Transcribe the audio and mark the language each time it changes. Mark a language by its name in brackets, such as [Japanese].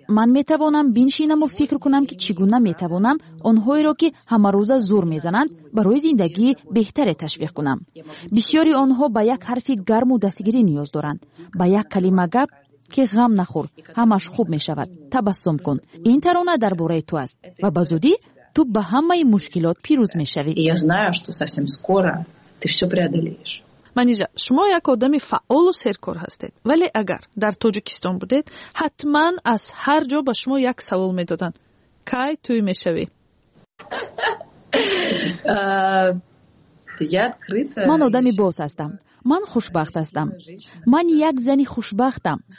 [Persian] من میتوانم بینشینم و فکر کنم که چگونه میتوانم آنهایی را که همه روزه زور میزنند برای زندگی بهتر تشویق کنم. بسیاری آنها به یک حرف گرم و دستگیری نیاز دارند، به یک کلمه گپ که غم نخور، همش خوب میشود، تبسم کن، این ترانه در باره تو است و به زودی تو به همه مشکلات پیروز میشوی. [Russian] Я знаю, что совсем скоро ты всё преодолеешь. [Persian] منیجا، شما یک آدم فعال و سرکار هستید، ولی اگر در تاجیکستان بودید، حتما از هر جا به شما یک سوال میدادن. کی توی میشوی؟ من آدم باز هستم. من خوشبخت هستم. من یک زن خوشبختم.